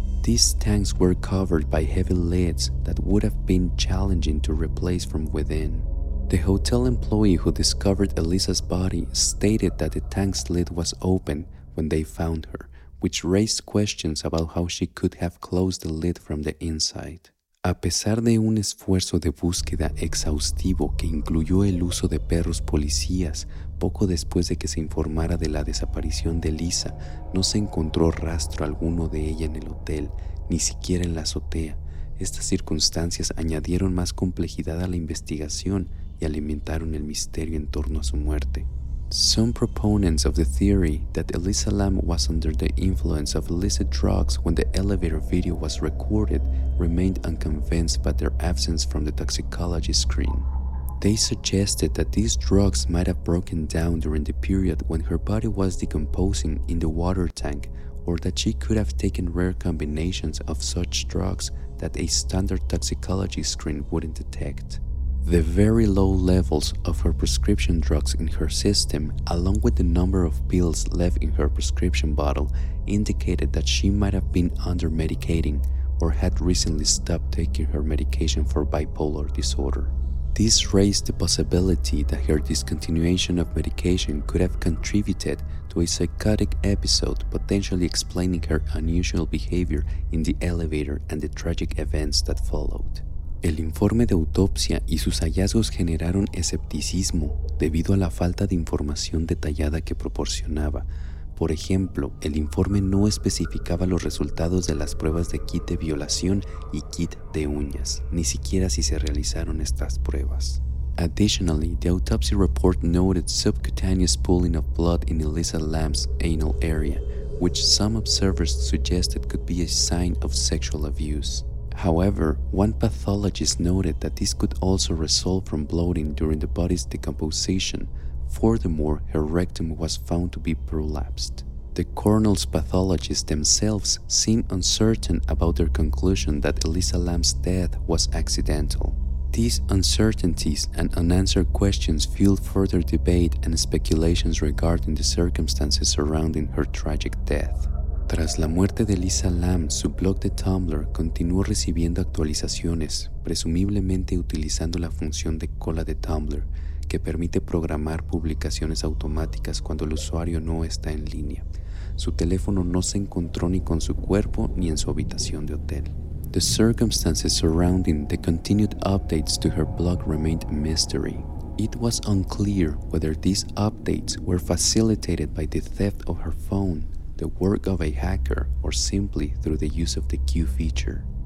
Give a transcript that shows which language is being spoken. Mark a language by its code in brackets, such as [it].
[en] These tanks were covered by heavy lids that would have been challenging to replace from within. The hotel employee who discovered Elisa's body stated that the tank's lid was open when they found her, which raised questions about how she could have closed the lid from the inside. [es] A pesar de un esfuerzo de búsqueda exhaustivo que incluyó el uso de perros policías, poco después de que se informara de la desaparición de Elisa, no se encontró rastro alguno de ella en el hotel, ni siquiera en la azotea. Estas circunstancias añadieron más complejidad a la investigación y alimentaron el misterio en torno a su muerte. [en] Some proponents of the theory that Elisa Lam was under the influence of illicit drugs when the elevator video was recorded remained unconvinced by their absence from the toxicology screen. They suggested that these drugs might have broken down during the period when her body was decomposing in the water tank, or that she could have taken rare combinations of such drugs that a standard toxicology screen wouldn't detect. The very low levels of her prescription drugs in her system, along with the number of pills left in her prescription bottle, indicated that she might have been under medicating or had recently stopped taking her medication for bipolar disorder. This raised the possibility that her discontinuation of medication could have contributed to a psychotic episode, potentially explaining her unusual behavior in the elevator and the tragic events that followed. [es] El informe de autopsia y sus hallazgos generaron escepticismo debido a la falta de información detallada que proporcionaba. Por ejemplo, el informe no especificaba los resultados de las pruebas de kit de violación y kit de uñas, ni siquiera si se realizaron estas pruebas. [en] Additionally, the autopsy report noted subcutaneous pooling of blood in Elisa Lam's anal area, which some observers suggested could be a sign of sexual abuse. However, one pathologist noted that this could also result from bloating during the body's decomposition. Furthermore, her rectum was found to be prolapsed. The coroner's pathologists themselves seemed uncertain about their conclusion that Elisa Lam's death was accidental. These uncertainties and unanswered questions fueled further debate and speculations regarding the circumstances surrounding her tragic death. [es] Tras la muerte de Elisa Lam, su blog de Tumblr continuó recibiendo actualizaciones, presumiblemente utilizando la función de cola de Tumblr, que permite programar publicaciones automáticas cuando el usuario no está en línea. Su teléfono no se encontró ni con su cuerpo ni en su habitación de hotel. [en] The circumstances surrounding the continued updates to her blog remained a mystery. It was unclear whether these updates were facilitated by the theft of her phone, the work of a hacker, or simply through the use of the Q feature.